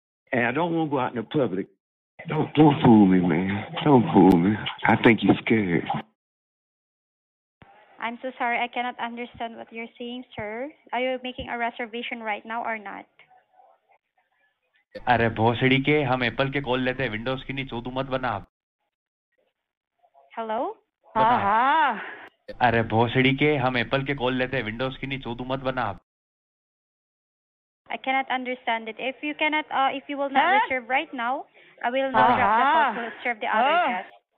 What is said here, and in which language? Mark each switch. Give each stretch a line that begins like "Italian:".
English: And I don't want to go out in the public. Don't fool me, man. Don't fool me. I think you're scared. I'm so sorry. I cannot understand what you're saying, sir. Are you making a reservation right now or not?
Hindi: अरे भोसड़ी के हम Apple के call लेते हैं Windows की नहीं चोदू मत बना आप.
English: Hello?
Hindi: हाँ हाँ. अरे भोसड़ी के हम एप्पल के कॉल लेते हैं विंडोज की नहीं चोदू मत बना आप.
English: I cannot understand it. If you cannot, if you will not reserve right now, I will not drop the call to serve the other guest.